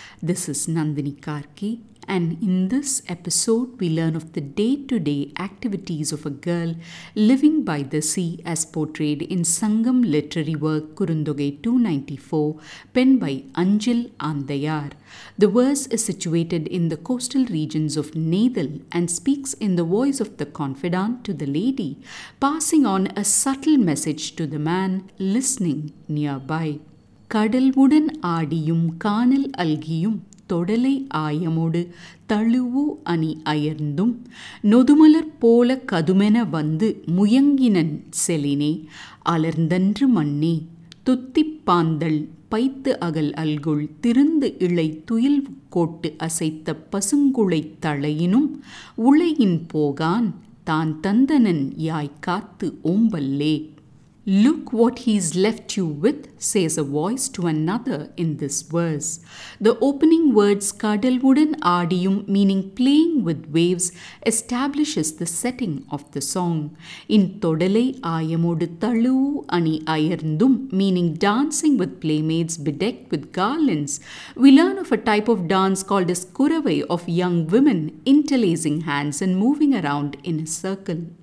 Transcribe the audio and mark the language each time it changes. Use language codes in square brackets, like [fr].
[en] This is Nandini Karki, and in this episode we learn of the day-to-day activities of a girl living by the sea as portrayed in Sangam literary work Kurundogai 294 penned by Anjil Andayar. The verse is situated in the coastal regions of Nadal and speaks in the voice of the confidant to the lady, passing on a subtle message to the man listening nearby. [ta] Kadalvudan aadiyum kaanal algiyum தொடலை ஆயமோடு தழுவு அணி அயர்ந்தும் நொதுமலர் போல கதுமென வந்து முயங்கினன் செலினே அலர்ந்தன்று மண்ணே துத்திப்பாந்தள் பைத்து அகல் அல்குள் திருந்து இளை துயில் கோட்டு அசைத்த பசுங்குளைத் தளையினும் உளையின் போகான் தான் தந்தனன் யாய் காத்து ஓம்பல்லே. [en] Look what he's left you with, says a voice to another in this verse. The opening words [ta] Kadalvudan aadiyum, [en] meaning playing with waves, establishes the setting of the song. In [ta] Todalai aayamodu thalu ani ayarndum, [en] meaning dancing with playmates bedecked with garlands, we learn of a type of dance called as kuravai of young women interlacing hands and moving around in a circle.